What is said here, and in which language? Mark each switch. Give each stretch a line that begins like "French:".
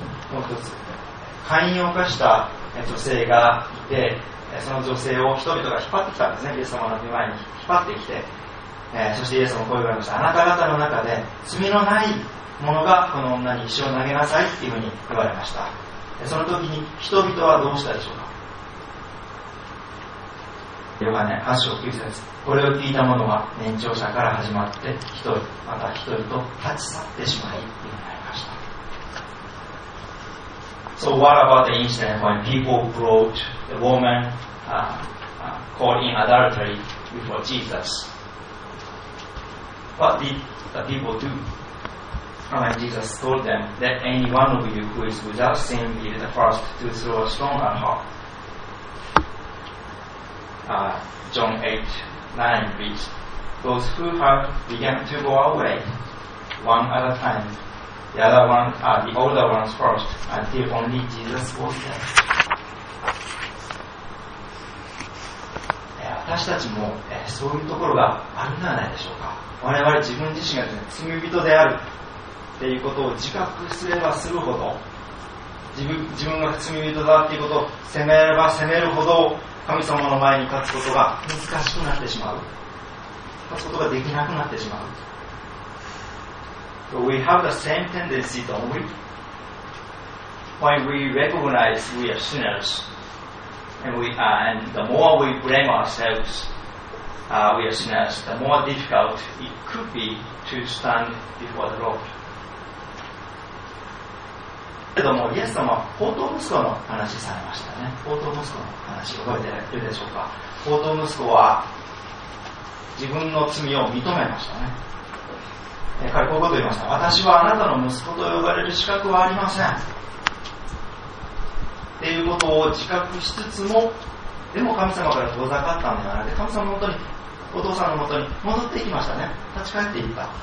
Japanese: もう一つ、カインを犯した女性がいて、その女性を人々が引っ張ってきたんですね。イエス様の御前に引っ張ってきて、そしてイエス様の声がありました。あなた方の中で罪のないものがこの女に石を投げなさいっていうふうに言われました。その時に人々はどうしたでしょうか。ヨハネ8章9節、これを聞いた者は年長者から始まって一人また一人と立ち去ってしまいとなりました。
English: So what about the incident when people brought the woman caught in adultery before Jesus? What did the people do when Jesus told them that any one of you who is without sin be the first to throw a stone at her? John 8:9 reads, Those who have begun to go away, one at a time, the other one, the older ones first, until only Jesus was there.
Japanese: 私たちも、そういうところがあるんではないでしょうか。我々自分自身が罪人であるっていうことを自覚すればするほど、自分が罪人だっていうことを責めれば責めるほど、神様の前に立つことが難しくなってしまう、立つことができなくなってしまう。
English: So we have the same tendency, don't we? When we recognize we are sinners and the more we blame ourselves, we are sinners, the more difficult it could be to stand before the Lord.
Japanese: けども、イエス様は放蕩息子の話されましたね。放蕩息子の話覚えているでしょうか。放蕩息子は自分の罪を認めましたね。彼はこういうことを言いました。私はあなたの息子と呼ばれる資格はありませんっていうことを自覚しつつも、でも神様から遠ざかったんではなくて、神様の元に、お父さんの元に戻っていきましたね。立ち返っていった。